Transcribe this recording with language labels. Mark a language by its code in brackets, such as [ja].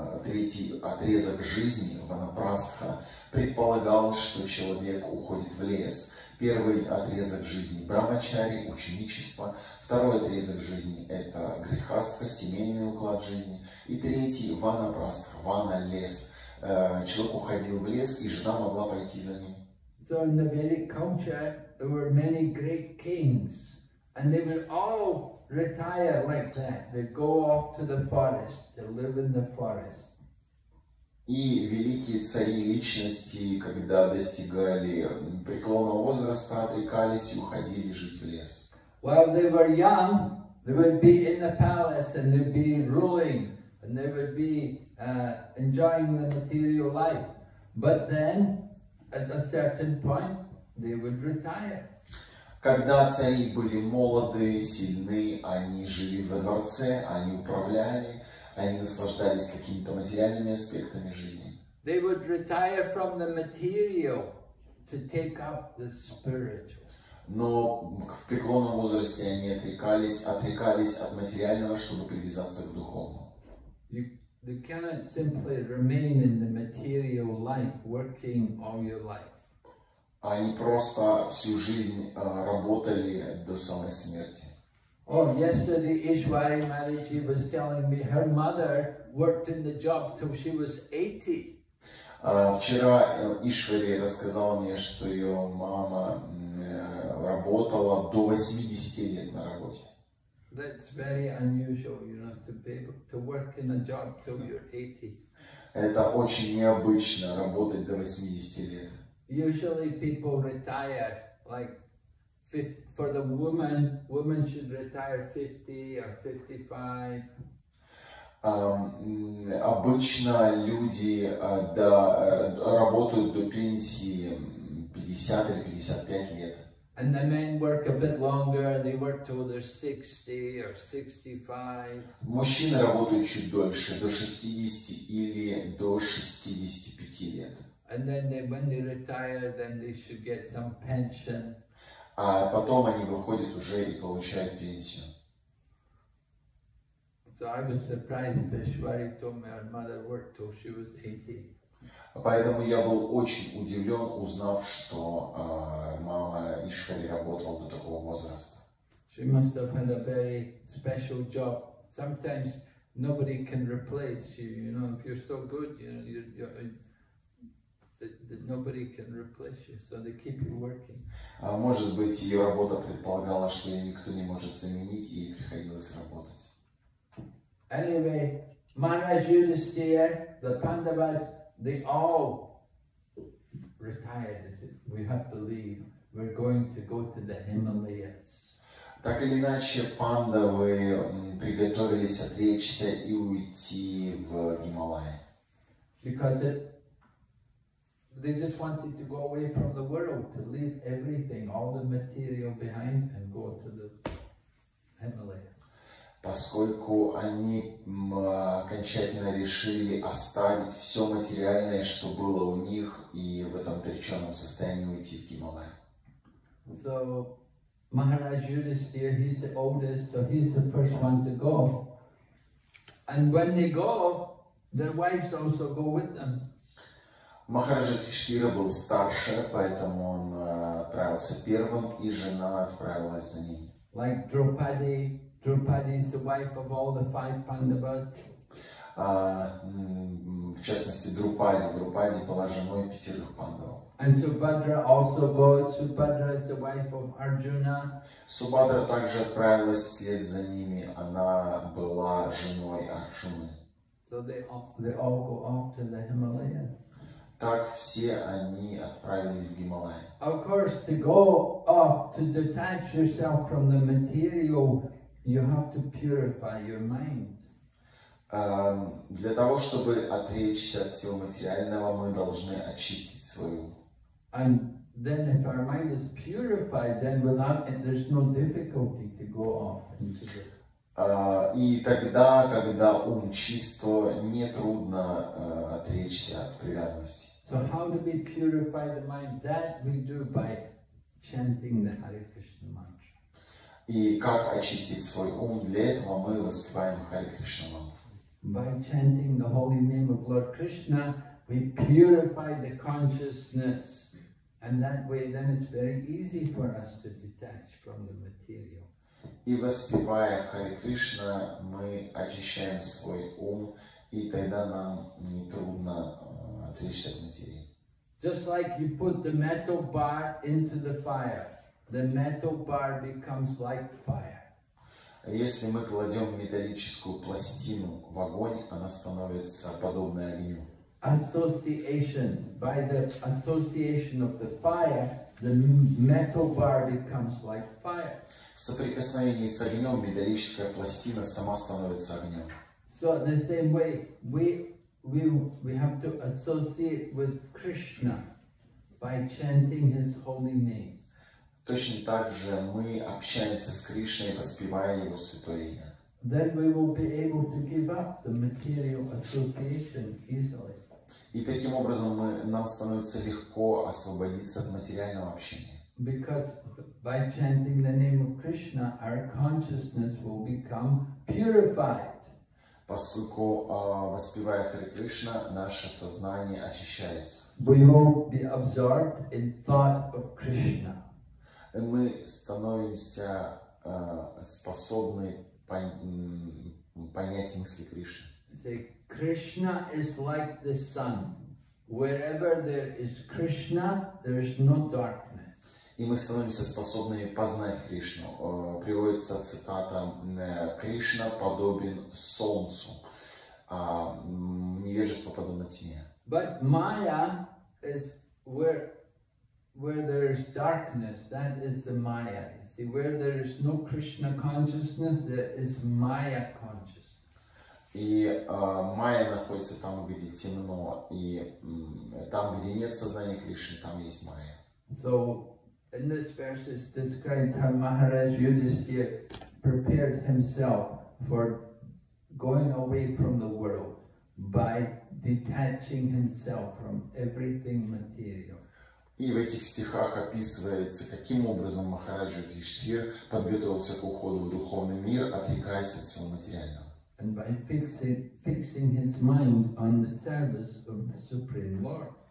[ru] третий отрезок жизни, ванапрастха, предполагал, что человек уходит в лес. Первый отрезок жизни – брамачари, ученичество. Второй отрезок жизни – это грехастха, семейный уклад жизни. И третий – ванапрастха, вана – лес. Человек уходил в лес, и жена могла пойти за ним. [en] So in the Vedic culture, there were many great kings, and they would all retire like that. They go off to the forest, they live in the forest. [ru] И великие цари личности, когда достигали преклонного возраста, отрекались и уходили жить в лес. [en] While they were young, they would be in the palace and they'd be ruling and they would be enjoying the material life. But then, at a certain point, they would retire. [ru] Когда цари были молоды, сильны, они жили в дворце, они управляли, они наслаждались какими-то материальными аспектами жизни. [en] They would retire from the material to take up the spiritual. [ru] Но в преклонном возрасте они отрекались от материального, чтобы привязаться к духовному. [en] You cannot simply remain in the material life, working all your life. [ru] Они просто всю жизнь работали до самой смерти. [en] Oh, yesterday Ishwari Mariji was telling me her mother worked in the job till she was 80. [ru] Вчера Ишвари рассказала мне, что ее мама работала до 80 лет на работе. [en] That's very unusual, you know, to be able to work in a job till you're 80. [ru] Это очень необычно работать до 80 лет. [en] Usually people retire like 50, for the women should retire 50 or 55. [ru] Обычно люди работают до пенсии 50 или 55 лет. [en] And the men work a bit longer, they work till they're 60 or 65. [ru] Мужчины работают чуть дольше, до 60 или до 65 лет. [en] And then when they retire, then they should get some pension. [ru] А потом они выходят уже и получают пенсию. [en] So I was surprised that Ishwari told me her mother worked till she was 80. [ru] Поэтому я был очень удивлен, узнав, что мама Ишвари работала до такого возраста. [en] She must have had a very special job. Sometimes nobody can replace you. You know, if you're so good, you know, nobody can replace you. So they keep you working. [ru] Может быть, ее работа предполагала, что ее никто не может заменить, и ей приходилось работать. [en] Anyway, Maharaj Yudhisthira, the Pandavas. They all retired. We have to leave. We're going to go to the Himalayas. [ru] Так или иначе, пандавы приготовились отречься и уйти в Гималаи. [en] Because they just wanted to go away from the world, to leave everything, all the material behind, and go to the Himalayas. [ru] Поскольку они окончательно решили оставить все материальное, что было у них, и в этом отречённом состоянии уйти в Гималаи. [en] So, Maharaj Yudhisthira, he's the oldest, so he's the first one to go. And when they go, their wives also go with them. [ru] Махараджа Киштира был старше, поэтому он отправился первым, и жена отправилась за ним. [en] Like Draupadi. Draupadi is the wife of all the five Pandavas. [ru] В частности, Друпади была женой пятерых пандавов. [en] And Subhadra also goes. Subhadra is the wife of Arjuna. [ru] Субхадра также отправилась вслед за ними. Она была женой Арджуны. [en] So they all go off to the Himalayas. [ru] Так все они отправились в Гималаи. [en] Of course, to go off, to detach yourself from the material, you have to purify your mind. [ru] Для того, чтобы отречься от всего материального, мы должны очистить свой ум. [en] And then if our mind is purified, then without it, there's no difficulty to go off into the... [ru] И тогда, когда ум чист, то нетрудно отречься от привязанности. [en] So how do we purify the mind? That we do by chanting the Hare Krishna mantra. [ru] И как очистить свой ум? Для этого мы воспеваем Харе Кришна мантру. [en] By chanting the holy name of Lord Krishna, we purify the consciousness. And that way, then it's very easy for us to detach from the material. [ru] И воспевая Хари Кришна, мы очищаем свой ум, и тогда нам не трудно отречься от материи. [en] Just like you put the metal bar into the metal bar becomes like fire. [ru] Если мы кладем металлическую пластину в огонь, она становится подобной огню. [en] Association, by the association of the fire, the metal bar becomes like fire. [ru] В соприкосновении с огнем металлическая пластина сама становится огнем. [en] So in the same way, we have to associate with Krishna by chanting his holy name. [ru] Точно так же мы общаемся с Кришной, воспевая его святое имя. [en] Then we will be able to give up the material association easily. [ru] И таким образом нам становится легко освободиться от материального общения. [en] Because by chanting the name of Krishna, our consciousness will become purified. [ru] Поскольку воспевая Хари Кришна, наше сознание очищается. [en] We will be absorbed in thought of Krishna. [ru] И мы становимся способны понять мысли Кришны. [en] Say, Krishna is like the sun. Wherever there is Krishna, there is no darkness. [ru] И мы становимся способными познать Кришну. Приводится цитата: Кришна подобен солнцу, а невежество подобно тьме. [en] But Maya is where there is darkness. That is the Maya. You see, where there is no Krishna consciousness, there is Maya consciousness. [ru] И Maya находится там, где темно, и там, где нет сознания Кришны, там есть Maya. [en] So in this verse is described how Maharaj Yudhisthira prepared himself for going away from the world by detaching himself from everything material. [ru] И в этих стихах описывается, каким образом Махарадж Юдхиштхира подготовился к уходу в духовный мир, отрекаясь от всего материального. [en] And by fixing his mind on the service of the Supreme Lord.